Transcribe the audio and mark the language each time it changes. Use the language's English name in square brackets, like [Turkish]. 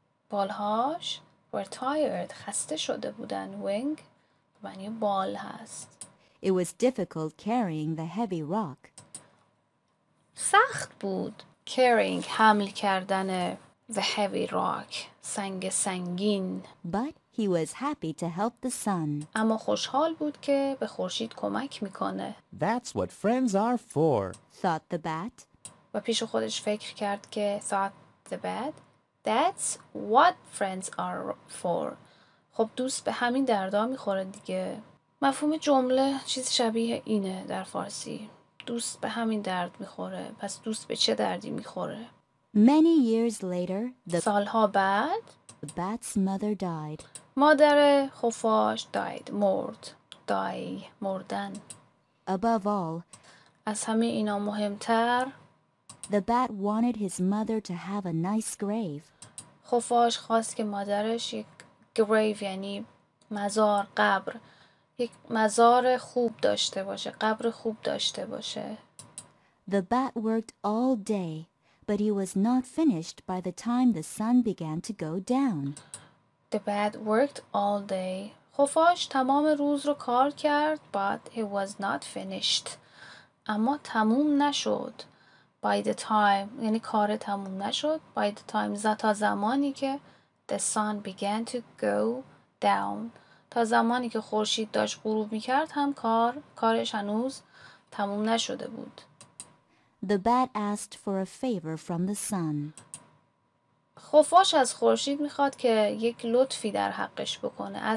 [Persian] بالهاش [English] were tired [Persian] خسته شده بودن wing معنی بال هست. [English] It was difficult carrying the heavy rock. [Persian] سخت بود carrying حمل کردن [English] the heavy rock [Persian] سنگ سنگین. [English] But he was happy to help the sun. [Persian] اما خوشحال بود که به خورشید کمک میکنه. [English] That's what friends are for. Thought the bat. [Persian] و پیش خودش فکر کرد که [English] thought the bat. That's what friends are for. [Persian] خب دوست به همین دردا میخوره دیگه. مفهوم جمله چیز شبیه اینه در فارسی. دوست به همین درد میخوره. پس دوست به چه دردی میخوره؟ [English] Many years later, [Persian] سالها بعد [English] the bat's mother died. [Persian] مادر خفاش died. مرد. Die. مردن. [English] Above all, [Persian] از همه اینا مهمتر [English] the bat wanted his mother to have a nice grave. [Persian] خفاش خواست که مادرش یک grave یعنی مزار قبر یک مزار خوب داشته باشه قبر خوب داشته باشه. [English] The bat worked all day but he was not finished by the time the sun began to go down. The bat worked all day. [Persian] خفاش تمام روز رو کار کرد [English] but he was not finished. [Persian] اما تموم نشد [English] by the time [Persian] یعنی کار تموم نشد [English] by the time [Persian] زتا زمانی که [English] The sun began to go down. [Persian] تا زمانی که خورشید داشت غروب می‌کرد هم کارش هنوز تموم نشده بود. [English] The bat asked for a favor from the sun. [Persian] خفاش از خورشید می‌خواد که یک لطفی در حقش بکنه.